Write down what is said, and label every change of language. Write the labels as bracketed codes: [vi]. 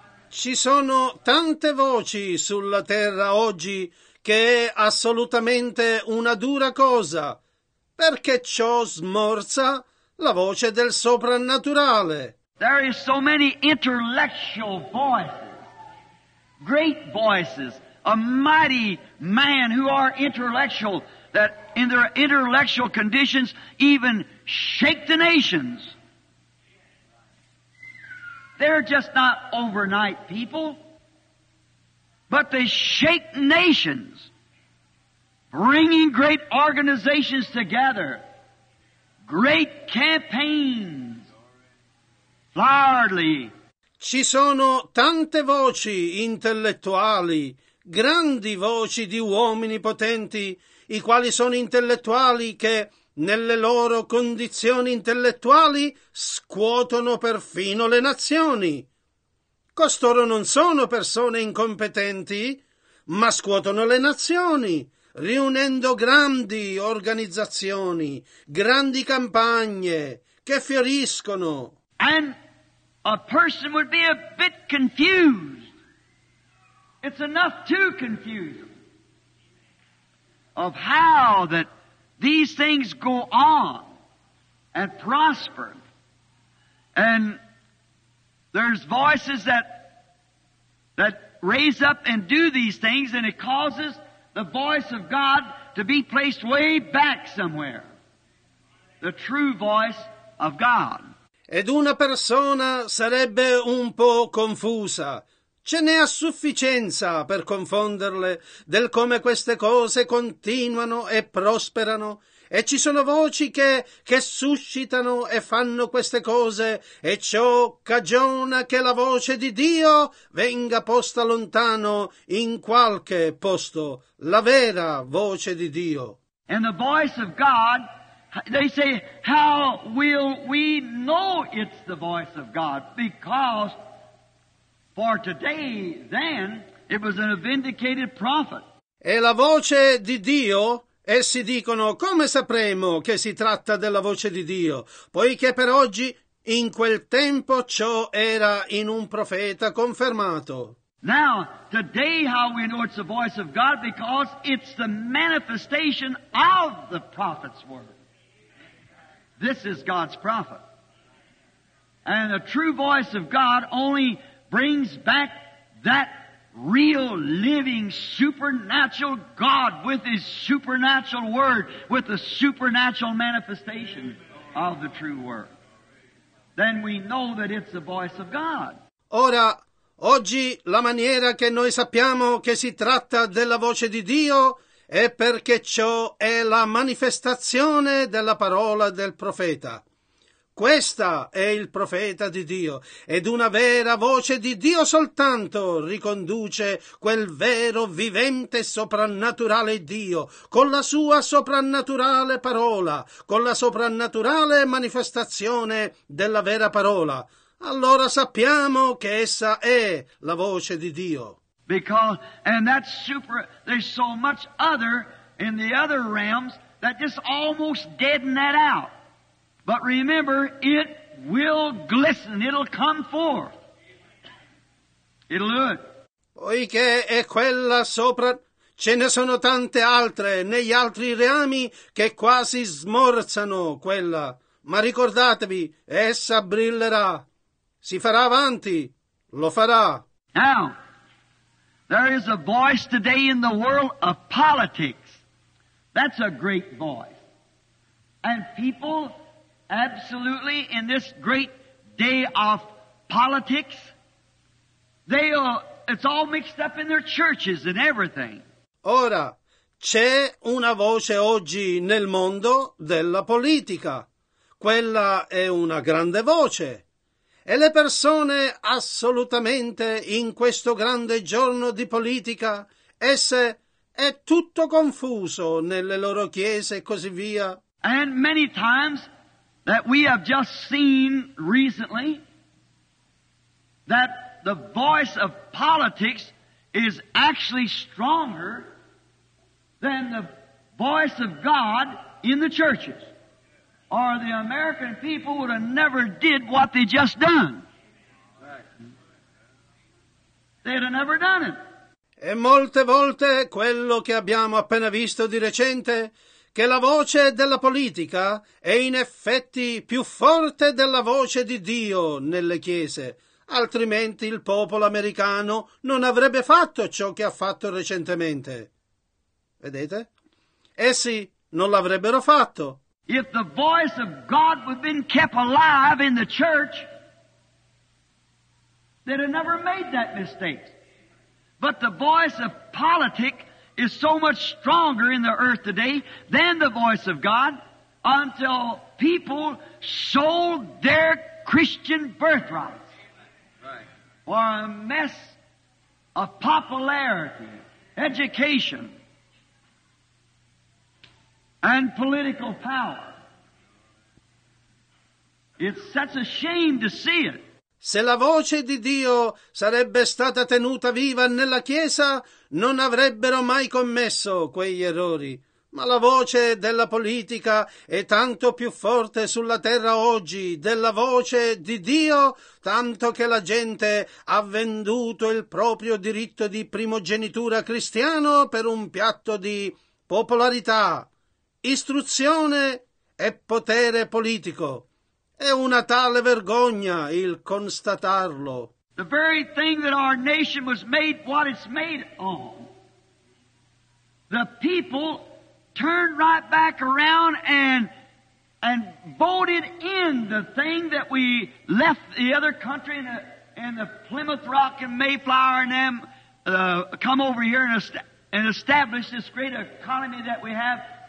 [it] Ci sono tante voci sulla terra oggi che è assolutamente una dura cosa, perché ciò smorza la voce del soprannaturale. [en] There is so many intellectual voices, great voices, a mighty man who are intellectual that in their intellectual conditions even shake the nations. They're just not overnight people, but they shake nations, bringing great organizations together, great campaigns, loudly. [it] Ci sono tante voci intellettuali, grandi voci di uomini potenti, i quali sono intellettuali che nelle loro condizioni intellettuali scuotono perfino le nazioni. Costoro non sono persone incompetenti, ma scuotono le nazioni, riunendo grandi organizzazioni, grandi campagne che fioriscono. [en] And a person would be a bit confused. It's enough to confuse them. Of how that these things go on and prosper. And there's voices that raise up and do these things, and it causes the voice of God to be placed way back somewhere. The true voice of God. [it] Ed una persona sarebbe un po' confusa. Ce n'è a sufficienza per confonderle del come queste cose continuano e prosperano, e ci sono voci che suscitano e fanno queste cose, e ciò cagiona che la voce di Dio venga posta lontano in qualche posto, la vera voce di Dio. [en] And the voice of God, they say, how will we know it's the voice of God? Because for today, then, it was a vindicated prophet. [it] E la voce di Dio, essi dicono, come sapremo che si tratta della voce di Dio? Poiché per oggi, in quel tempo, ciò era in un profeta confermato. [en] Now, today how we know it's the voice of God? Because it's the manifestation of the prophet's word. This is God's prophet. And the true voice of God only brings back that real, living, supernatural God with His supernatural Word, with the supernatural manifestation of the true Word. Then we know that it's the voice of God. [it] Ora, oggi la maniera che noi sappiamo che si tratta della voce di Dio è perché ciò è la manifestazione della parola del profeta. Questa è il profeta di Dio, ed una vera voce di Dio soltanto riconduce quel vero vivente soprannaturale Dio con la sua soprannaturale parola, con la soprannaturale manifestazione della vera parola. Allora sappiamo che essa è la voce di Dio. [en] Because, and that's super, there's so much other in the other realms that just almost deaden that out. But remember, it will glisten, it'll come forth. It'll do it. [it] Poiché è quella sopra, ce ne sono tante altre negli altri reami che quasi smorzano quella. Ma ricordatevi, essa brillerà. Si farà avanti. Lo farà. [en] Now, there is a voice today in the world of politics. That's a great voice. And people, absolutely, in this great day of politics, they are, it's all mixed up in their churches and everything. [it] Ora, c'è una voce oggi nel mondo della politica. Quella è una grande voce. E le persone assolutamente in questo grande giorno di politica, esse è tutto confuso nelle loro chiese e così via. [en] And many times that we have just seen recently that the voice of politics is actually stronger than the voice of God in the churches. Or the American people would have never did what they just done. They'd have never done it. [it] E molte volte quello che abbiamo appena visto di recente, che la voce della politica è in effetti più forte della voce di Dio nelle chiese, altrimenti il popolo americano non avrebbe fatto ciò che ha fatto recentemente. Vedete? Essi non l'avrebbero fatto. [en] If the voice of God would have been kept alive in the church, they'd have never made that mistake. But the voice of politics is so much stronger in the earth today than the voice of God until people sold their Christian birthrights for a mess of popularity, education, and political power. It's such a shame to see it. [it] Se la voce di Dio sarebbe stata tenuta viva nella Chiesa, non avrebbero mai commesso quegli errori. Ma la voce della politica è tanto più forte sulla terra oggi della voce di Dio, tanto che la gente ha venduto il proprio diritto di primogenitura cristiano per un piatto di popolarità, istruzione e potere politico. È una tale vergogna il constatarlo. [en] The very thing that our nation was made what it's made on. The people turned right back around and voted in the thing that we left the other country and the Plymouth Rock and Mayflower and them come over here and establish this great economy that we have.